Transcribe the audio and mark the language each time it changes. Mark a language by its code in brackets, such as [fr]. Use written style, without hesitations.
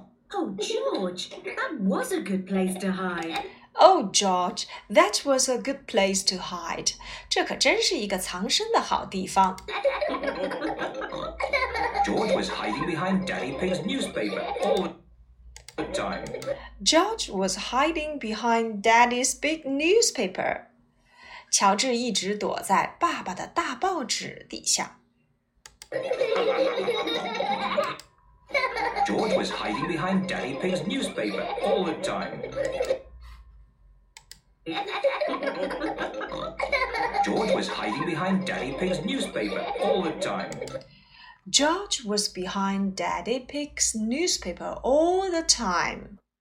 [en] George, that was a good place to hide. Oh, George, that was a good place to hide. [zh] 这可真是一个藏身的好地方。 [en] George was hiding behind Daddy Pig's newspaper all the time. George was hiding behind Daddy's big newspaper. [zh] 乔治一直躲在爸爸的大报纸底下。 [en] George was hiding behind Daddy Pig's newspaper all the time. George was hiding behind Daddy Pig's newspaper all the time. George was behind Daddy Pig's newspaper all the time.